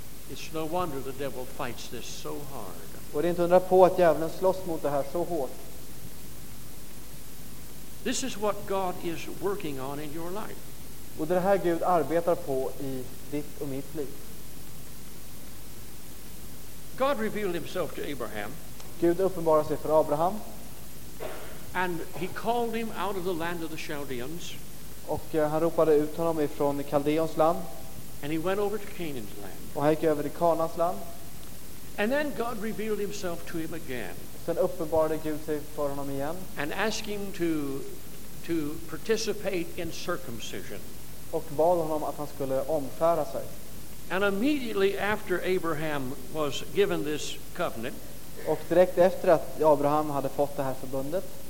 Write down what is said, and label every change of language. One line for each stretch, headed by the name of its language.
English: It's no wonder the devil fights this so hard.
Swedish: Och det är inte undra på att djävulen slåss mot det här så hårt.
English: This is what God is working on in your life.
Swedish: Och det här Gud arbetar på i ditt och mitt liv.
English: God revealed himself to Abraham.
Swedish: Gud uppenbarar sig för Abraham.
English: And he called him out of the land of the Chaldeans.
Swedish: Och han ropade ut honom ifrån Kaldeons land.
English: And he went over to Canaan's land.
Swedish: Och han gick över till Kanaans land.
English: And then God revealed himself to him again.
Swedish: Sen uppenbarade Gud sig för honom igen.
English: And asked him to participate in circumcision.
Swedish: Och bad honom att han skulle omskära sig.
English: And immediately after Abraham was given this covenant.
Swedish: Och direkt efter att Abraham hade fått det här förbundet.